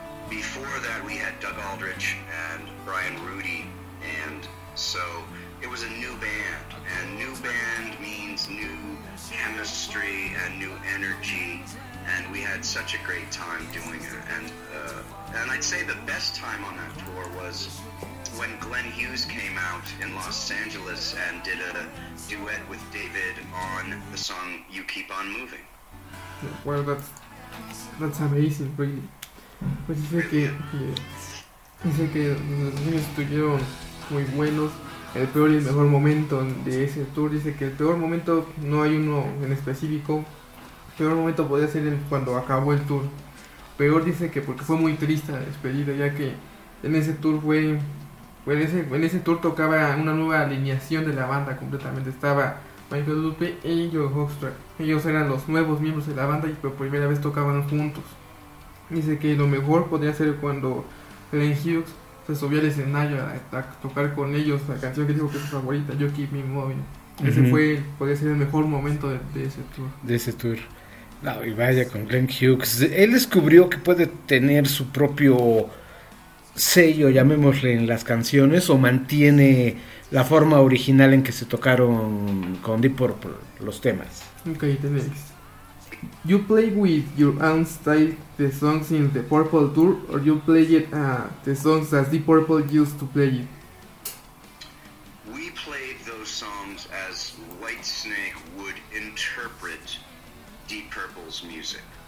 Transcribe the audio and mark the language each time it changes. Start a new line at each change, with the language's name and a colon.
English: Before that, we had Doug Aldrich and Brian Rudy, and so it was a new band, and new band means new chemistry and new energy, and we had such a great time doing it. And I'd say the best time on that tour was when Glenn Hughes came out in Los Angeles and did a duet with David on the song You Keep On Moving. Well, that's amazing, really.
Spanish: Pues dice que, dice que los años estuvieron muy buenos. El peor y el mejor momento de ese tour, dice que el peor momento no hay uno en específico. El peor momento podría ser cuando acabó el tour. Peor dice que porque fue muy triste la despedida, ya que en ese tour en ese tour tocaba una nueva alineación de la banda completamente. Estaba Michael Lupe e Joe Hoekstra. Ellos eran los nuevos miembros de la banda y por primera vez tocaban juntos. Dice que lo mejor podría ser cuando Glenn Hughes se subió al escenario a tocar con ellos la canción que dijo que es su favorita, You Keep Me Moving. Ese podría ser el mejor momento de ese tour. De ese tour. No, y vaya con Glenn Hughes. Él descubrió que puede tener su propio sello, llamémosle, en las canciones, o mantiene la forma original en que se tocaron con Deep Purple los temas. Ok, tenéis.
English: You play with your own style the songs in the Purple Tour, or you play it the songs as Deep Purple used to play it? We played those songs as Whitesnake would interpret Deep Purple's music.